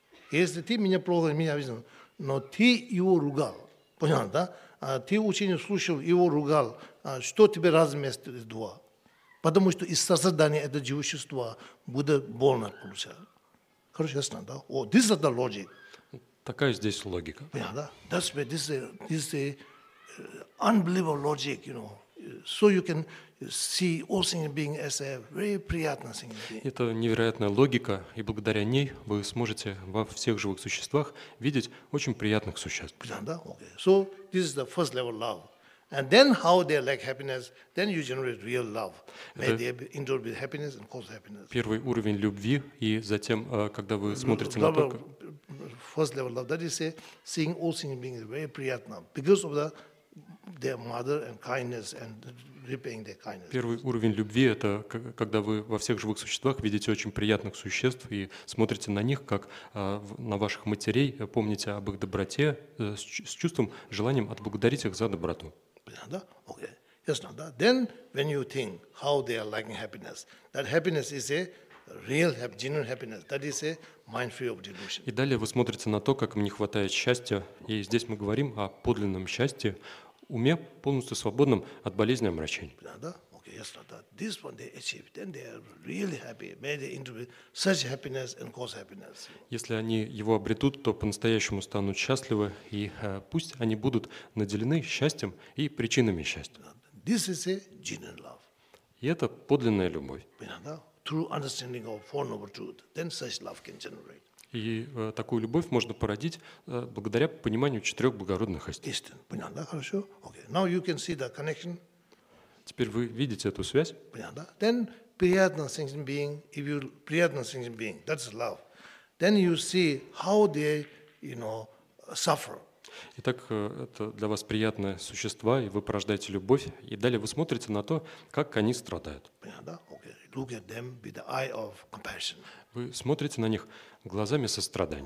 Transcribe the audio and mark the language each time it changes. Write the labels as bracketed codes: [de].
[ru] Если ты меня плохо сказал, меня обижал, но ты его ругал, понял, да? А ты учение слушал, его ругал, что тебе разместили два? Потому что из сознания этого живущества Будда больно получал. Короче, ясно, да? О, [en] this is the logic. [ru] Такая здесь логика. Понятно, да? [en] That's why this is unbelievable logic, you know. So you can see all things being as a very приятное thing. [ru] Это невероятная логика, и благодаря ней вы сможете во всех живых существах видеть очень приятных существ. Понятно, да? [en] Okay. So this is the first level love. And then how they lack happiness, then you generate real love. May they endure with happiness and cause happiness. [ru] Первый уровень любви, и затем, когда вы смотрите на то, [en] first level love, that is say, seeing all things being very приятно, because of their mother and kindness and repaying their kindness. [ru] Первый уровень любви – это когда вы во всех живых существах видите очень приятных существ и смотрите на них, как на ваших матерей, помните об их доброте, с чувством, желанием отблагодарить их за доброту. Понятно, да? Okay. Ясно, да? [en] Then, when you think how they are lacking happiness, that happiness is a real, genuine happiness, that is a mind-free of delusion. [ru] И далее вы смотрите на то, как им не хватает счастья, и здесь мы говорим о подлинном счастье, уме, полностью свободном от болезни и омрачений. Понятно, да? Okay. Ясно, да? [en] This one they achieve, then they are really happy, made into such happiness and cause happiness. [ru] Если они его обретут, то по-настоящему станут счастливы, и пусть они будут наделены счастьем и причинами счастья. [en] This is a genuine love. [ru] И это подлинная любовь. Понятно, да? [en] Through understanding of Four Noble Truths, then such love can generate. [ru] И такую любовь можно породить благодаря пониманию четырех благородных истин. Понятно, да? Хорошо? [en] Okay. Now you can see the connection. [ru] Теперь вы видите эту связь. Понятно, да? [en] Then приятно сенсин being, if you приятно сенсин being, that's love. Then you see how they, you know, suffer. [ru] Итак, это для вас приятные существа, и вы порождаете любовь, и далее вы смотрите на то, как они страдают. Понятно, да? Okay. [en] Look at them with the eye of compassion. [ru] Вы смотрите на них глазами сострадания.